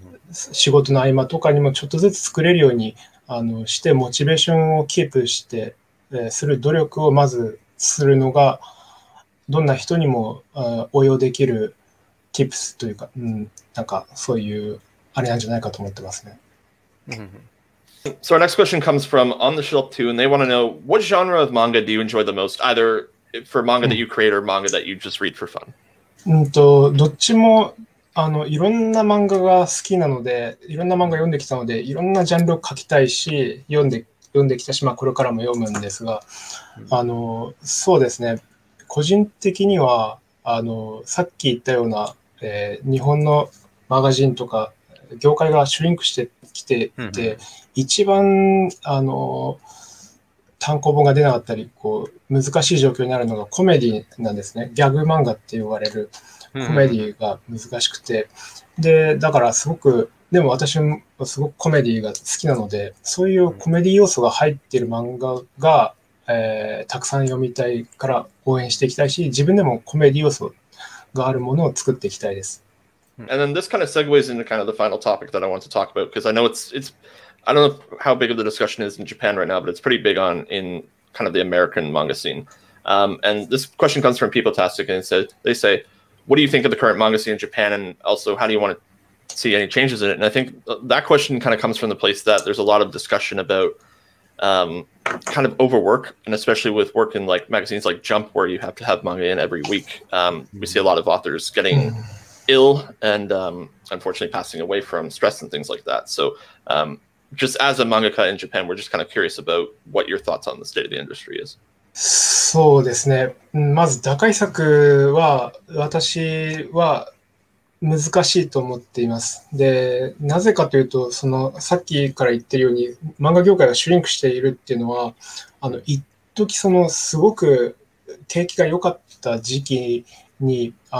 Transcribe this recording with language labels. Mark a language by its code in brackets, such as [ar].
[ja] 仕事の合間とかにもちょっとずつ作れるようにしてモチベーションをキープして、する努力をまずするのがどんな人にも応用できる tips というか、なんかそういうあれなんじゃないかと思ってますね。 Mm-hmm. [en] So our next question comes from On the Shelf Too, and they want to know what genre of manga do you enjoy the most, either for manga that you create or manga that you just read for fun? [ja] どっちもいろんな漫画が好きなので、いろんな漫画読んできたので、いろんなジャンルを書きたいし、読んできたし、まあこれからも読むんですが、そうですね。個人的にはさっき言ったような、日本のマガジンとか業界がシュリンクしてきてて、うん、一番単行本が出なかったりこう難しい状況になるのがコメディなんですね。ギャグ漫画って言われるコメディが難しくて、うん、でだからすごくでも私もすごくコメディが好きなのでそういうコメディ要素が入ってる漫画がたくさん読みたいから応援していきたいし、自分でもコメディ要素があるものを作っていきたいです。 [en] And then this kind of segues into kind of the final topic that I want to talk about, because I know it's I don't know how big of the discussion is in Japan right now, but it's pretty big on in kind of the American manga scene. And this question comes from PeopleTastic, and they say, what do you think of the current manga scene in Japan, and also how do you want to see any changes in it? And I think that question kind of comes from the place that there's a lot of discussion aboutkind of overwork, and especially with work in like magazines like Jump, where you have to have manga in every week. We see a lot of authors getting ill and unfortunately passing away from stress and things like that. So just as a mangaka in Japan, we're just kind of curious about what your thoughts on the state of the industry is. [ja] そうですね。まず打開策は私は難しいと思っています。で、なぜかというと、そのさっきから言ってるように、漫画業界がシュリンクしているっていうのは、一時そのすごく景気が良かった時期に